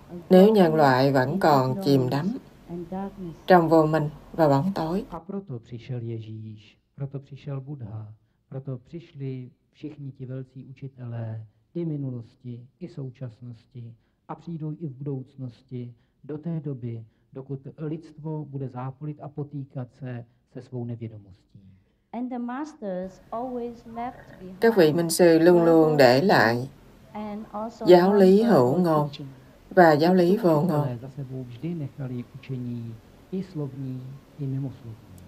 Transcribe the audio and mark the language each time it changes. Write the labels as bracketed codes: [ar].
[vi] Nếu nhân loại vẫn còn chìm đắm trong vô minh và bóng tối. [cs] A proto přišel Ježíš, proto přišel Buddha, proto přišli všichni ti velcí učitelé i minulosti, i současnosti a přijdou i v budoucnosti do té doby, dokud lidstvo bude zápolit a potýkat se se svou nevědomostí. [en] And the masters always left behind. [vi] Các vị minh sư luôn luôn để lại giáo lý hữu ngôn và giáo lý vô ngôn. [cs] Za sebou vždy nechali učení i slovní, i mimoslovní.